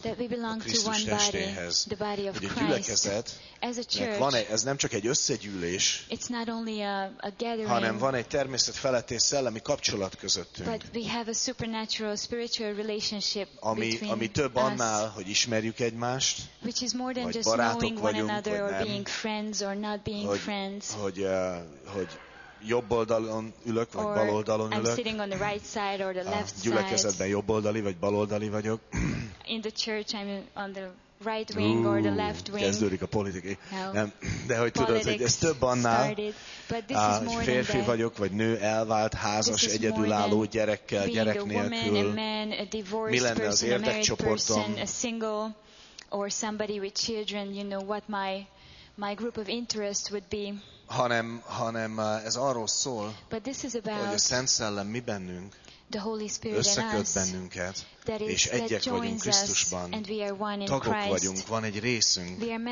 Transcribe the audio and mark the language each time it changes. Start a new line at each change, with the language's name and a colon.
English: That we belong to one body, the body of Christ.
Hungarian: Egy gyülekezet,
English: as a church,
Hungarian: van egy, ez nem csak egy összegyűlés,
English: it's not only a gathering,
Hungarian: hanem van egy természet feletti szellemi kapcsolat közöttünk.
English: But we have a supernatural spiritual relationship between
Hungarian: ami több annál, hogy ismerjük egymást,
English: which is more than just knowing one another or being friends or not being friends.
Hungarian: Hogy jobb oldalon ülök, vagy
English: or
Hungarian: bal oldalon ülök.
English: I'm sitting on the right side or the left side.
Hungarian: Gyülekezetben jobb oldali, vagy bal oldali vagyok.
English: In the church I'm on the right wing or the left wing.
Hungarian: Kezdődik a politikai. De hogy tudod, hogy ez több annál, férfi vagyok, vagy nő, elvált, házas, egyedülálló gyerekkel, gyerek nélkül. Mi lenne az érdekcsoportom?
English: A single or somebody with children, you know what my group of interest would be.
Hungarian: Hanem ez arról szól, hogy a Szent Szellem mi bennünk összeköt bennünket, és egyek vagyunk Krisztusban, tagok vagyunk, van egy részünk.